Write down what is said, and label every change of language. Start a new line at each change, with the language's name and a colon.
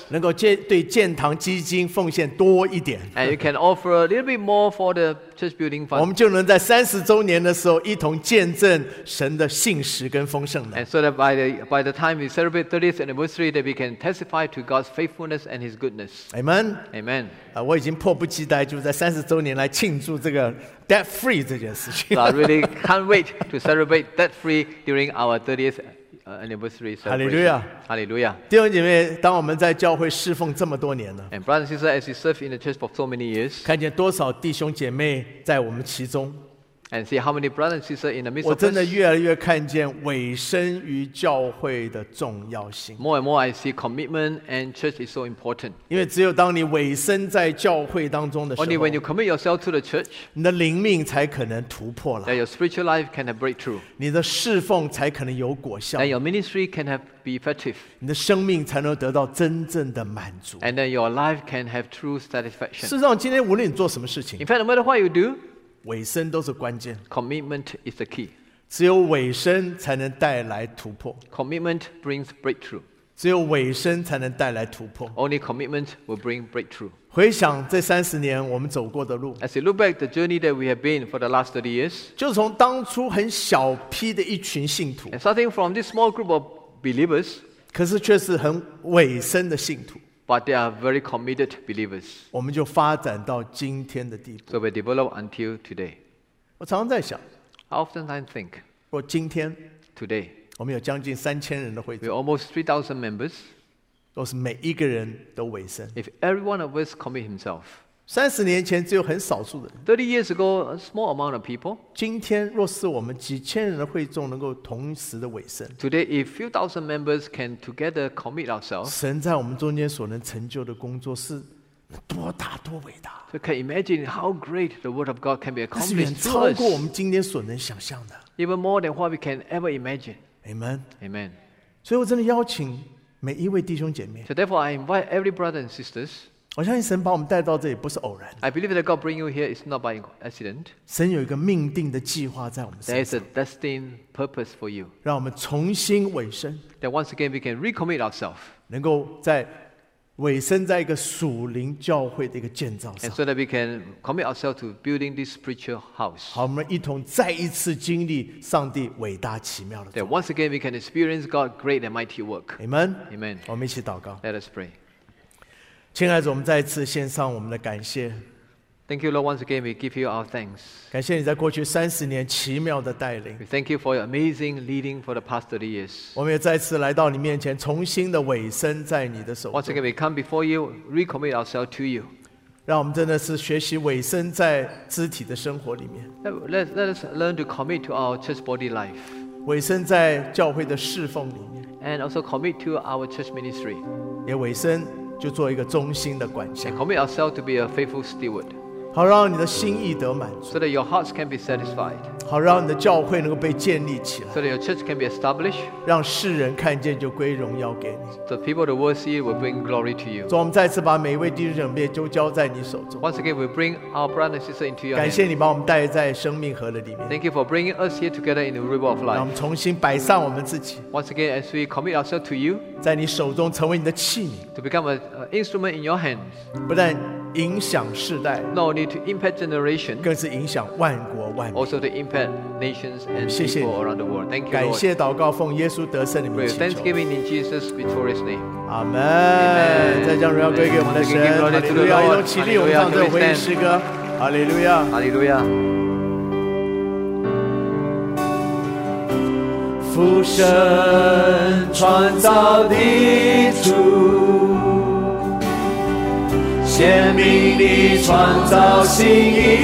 Chinese: 能够对建堂基金奉献多一点。
English: And you can offer a little bit more for the church building fund.
Chinese: 我们就能在三十周年的时候一同见证神的信实跟丰盛的。
English: And so that by the time we celebrate 30th anniversary, that we can testify to God's faithfulness and His goodness. Amen. Amen.
Chinese: 我已经迫不及待就在三十周年来庆祝这个
English: debt free
Chinese: 这件事情。
English: So、I really can't wait to celebrate debt free during our 30th. Hallelujah! Hallelujah!
Chinese: 弟兄姐妹，当我们在教会侍奉这么多年呢
English: ，And brothers and sisters, as you serve in the church for so many years,
Chinese: 看见多少弟兄姐妹在我们其中
English: ，And see how many brothers and sisters in the midst.
Chinese: 我真的越来越看见委身于教会的重要性。
English: More and more, I see commitment and church is so important.
Chinese: 因为只有当你委身在教会当中的时候
English: ，Only when you commit yourself to the church,
Chinese: 你的灵命才可能突破了
English: ，That your spiritual life can have breakthrough.
Chinese: 你的侍奉才可能有果效
English: ，That your ministry can have. Be effective.
Chinese: 你的生命才能得到真正的满足。
English: And then your life can have true satisfaction.
Chinese: 事实上，今天无论你做什么事情
English: ，In fact, no matter what you do,
Chinese: 委身都是关键。
English: Commitment is the key.
Chinese: 只有委身才能带来突破。
English: Commitment brings breakthrough.
Chinese: 只有委身才能带来突破。
English: Only commitment will bring breakthrough.
Chinese: 回想这三十年我们走过的路
English: ，As you look back the journey that we have been for the last 30 years,
Chinese: 就从当初很小批的一群信徒
English: ，And starting from this small group of believers,
Chinese: 可是却是很委身的信徒
English: but they are very committed believers.
Chinese: 我们就发展到今天的地步
English: so we develop until today.
Chinese: 我常常在想
English: I often I think,
Chinese: 若今天
English: today,
Chinese: 我们有将近3000人的会众
English: we almost 3000 members,
Chinese: 都是每一个人都委身。
English: If every one of us commit himself,
Chinese: 30年前只有很少数的人。
English: 30 years ago, a small amount of people.
Chinese: 今天若是我们几千人的会众能够同时的委身。
English: Today, if few thousand members can together commit ourselves.
Chinese: 神在我们中间所能成就的工作是多大多伟大。
English: So can imagine how great the word of God can be accomplished.
Chinese: 是远超过我们今天所能想象的。
English: Even more than what we can ever imagine. Amen. Amen.
Chinese: 所以我真的邀请每一位弟兄姐妹。
English: So therefore, I invite every brother and sisters.
Chinese: 我相信神把我们带到这里不是偶然。
English: I believe that God bring you here is not by accident.
Chinese: 神有一个命定的计划在我们身上。
English: There is a destined purpose for you.
Chinese: 让我们重新委身。
English: That once again we can recommit ourselves.
Chinese: 能够在委身在一个属灵教会的一个建造上。
English: And so that we can commit ourselves to building this spiritual house.
Chinese: 好，我们一同再一次经历上帝伟大奇妙的作为。
English: That once again we can experience God's great and mighty work. Amen. Amen.
Chinese: 我们一起祷告。
English: Let us pray.
Chinese: 亲爱的，我们再一次献上我们的感谢。
English: Thank you, Lord. Once again, we give you our thanks.
Chinese: 感谢你在过去三十年奇妙的带领。
English: We thank you for your amazing leading for the past 30 years.
Chinese: 我们也再次来到你面前，重新的委身在你的手中。
English: Once again, we come before you, recommit ourselves to you.
Chinese: 让我们真的是学习委身在肢体的生活里面。
English: Let us learn to commit to our church body life.
Chinese: 委身在教会的侍奉里面。
English: And also commit to our church ministry.
Chinese: 也委身就做一个忠心的管家。
English: And commit ourselves to be a faithful steward.
Chinese: 好让你的心意得满足
English: so that your hearts can be satisfied.
Chinese: 好让你的教会能够被建立起来
English: so that your church can be established.
Chinese: 让世人看见就归荣耀给你
English: the people that will see will bring glory to you.
Chinese: 主，我们再次把每一位弟兄姐妹都交在你手中
English: Once again, we bring our brother and sister into your hands.
Chinese: 感谢你把我们带在生命河的里面
English: Thank you for bringing us here together in the river of life.
Chinese: 让我们重新摆上我们自己
English: Once again, as we commit ourselves to you.
Chinese: 在你手中成为你的器皿
English: to become an instrument in your hands.
Chinese: 不但影响世代
English: no need to impact generation
Chinese: 更是影响万国万民
English: also to impact nations and people around the world thank you
Chinese: 感谢祷告奉耶稣得胜的名祈求
English: thanksgiving in Jesus victorious name
Chinese: Amen 再将荣耀归给我们的神
English: Hallelujah
Chinese: 一同起立我们唱这回应诗歌 Hallelujah
English: Hallelujah
Chinese: 父神创造地主显明你创造心意，